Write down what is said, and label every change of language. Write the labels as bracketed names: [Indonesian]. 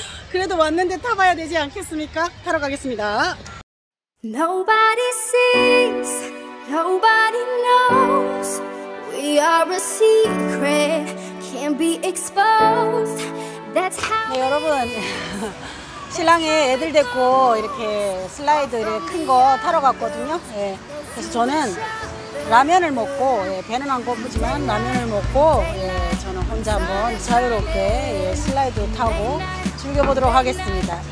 [Korean] 그래도 왔는데 타봐야 되지 않겠습니까? 타러 가겠습니다. [English] Nobody sees, nobody knows. We are a secret, can't be exposed. [Korean] 네, 여러분, 신랑이 애들 데리고 이렇게 슬라이드 이렇게 큰 거 타러 갔거든요. 예, 그래서 저는 라면을 먹고, 예, 배는 안 고프지만 라면을 먹고, 예, 저는 혼자 한번 자유롭게, 예, 슬라이드 타고 즐겨보도록 하겠습니다.